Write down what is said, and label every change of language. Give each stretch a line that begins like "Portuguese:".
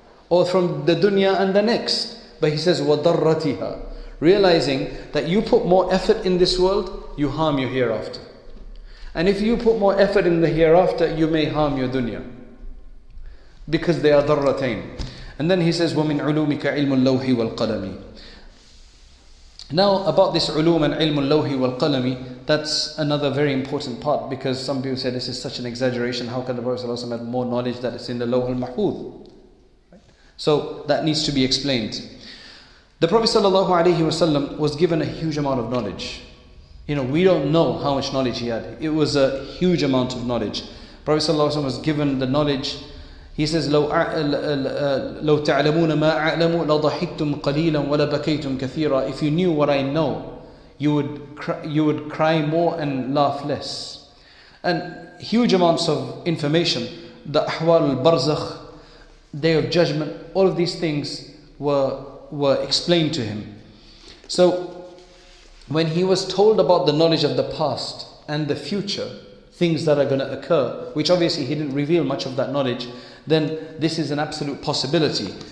English: Or from the dunya and the next. But he says, وَضَرَّتِهَا. Realizing that you put more effort in this world, you harm your hereafter. And if you put more effort in the hereafter, you may harm your dunya. Because they are ضَرَّتَيْن. And then he says,
Arabic: وَمِنْ عُلُومِكَ عِلْمُ اللَّوْحِ وَالْقَلَمِ.
English: Now about this ulum and ilm al-lawhi wal-qalami, that's another very important part, because some people say this is such an exaggeration. How can the Prophet ﷺ have more knowledge that it's in the lawh al-mahfuz? So that needs to be explained. The Prophet ﷺ was given a huge amount of knowledge. You know, we don't know how much knowledge he had. It was a huge amount of knowledge. The Prophet ﷺ was given the knowledge. He says,
Arabic: لَوْ تَعْلَمُونَ مَا أَعْلَمُوا لَضَحِكْتُمْ قَلِيلًا وَلَبَكَيْتُمْ كَثِيرًا.
English: If you knew what I know, you would cry more and laugh less. And huge amounts of information, the أحوال البرزخ, Day of Judgment, all of these things were explained to him. So when he was told about the knowledge of the past and the future, things that are going to occur, which obviously he didn't reveal much of that knowledge, then this is an absolute possibility.